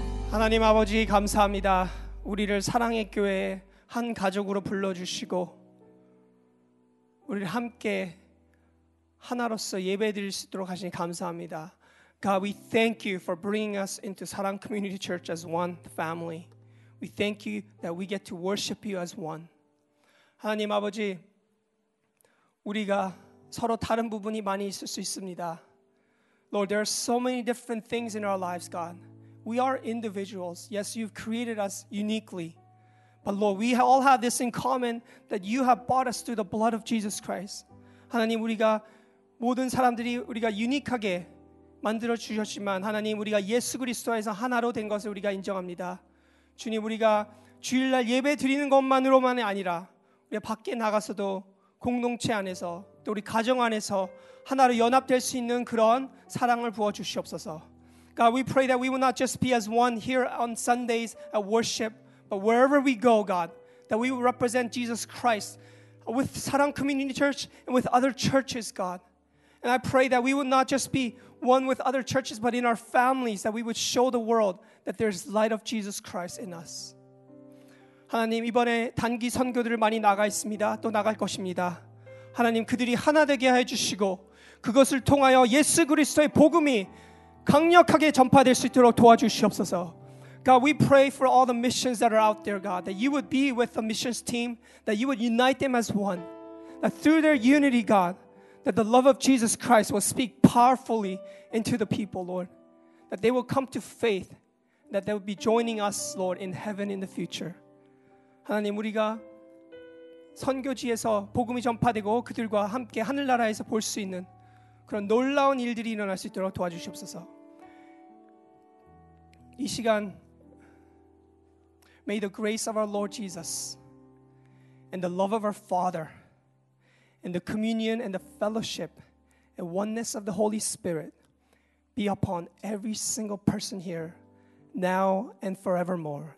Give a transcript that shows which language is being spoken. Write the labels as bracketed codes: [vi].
[ko] 하나님 아버지 감사합니다. 우리를 사랑의 교회의 한 가족으로 불러주시고 우리를 함께 하나로서 예배드릴 수 있도록 하시니 감사합니다. [en] God, we thank you for bringing us into Sarang Community Church as one family. We thank you that we get to worship you as one. [ko] 하나님 아버지, 우리가 서로 다른 부분이 많이 있을 수 있습니다. [en] Lord, there are so many different things in our lives, God. We are individuals. Yes, you've created us uniquely. But Lord, we all have this in common that you have bought us through the blood of Jesus Christ. [ko] 하나님, 우리가 모든 사람들이 우리가 유니크하게 만들어 주셨지만 하나님, 우리가 예수 그리스도에서 하나로 된 것을 우리가 인정합니다. 주님, 우리가 주일날 예배 드리는 것만으로만이 아니라 우리 밖에 나가서도 공동체 안에서 또 우리 가정 안에서 하나로 연합될 수 있는 그런 사랑을 부어 주시옵소서. [en] God, we pray that we will not just be as one here on Sundays at worship, but wherever we go, God, that we will represent Jesus Christ with Sarang Community Church and with other churches, God. And I pray that we will not just be one with other churches, but in our families, that we would show the world that there is light of Jesus Christ in us. [ko] 하나님, 이번에 단기 선교들을 많이 나가 있습니다. 또 나갈 것입니다. 하나님, 그들이 하나 되게 해주시고 그것을 통하여 예수 그리스도의 복음이 강력하게 전파될 수 있도록 도와주시옵소서. [en] God, we pray for all the missions that are out there, God, that you would be with the missions team, that you would unite them as one, that through their unity, God, that the love of Jesus Christ will speak powerfully into the people, Lord, that they will come to faith, that they will be joining us, Lord, in heaven in the future. [ko] 하나님, 우리가 선교지에서 복음이 전파되고 그들과 함께 하늘나라에서 볼 수 있는 그런 놀라운 일들이 일어날 수 있도록 도와주시옵소서. 이 시간, [en] may the grace of our Lord Jesus and the love of our Father and the communion and the fellowship and oneness of the Holy Spirit be upon every single person here now and forevermore.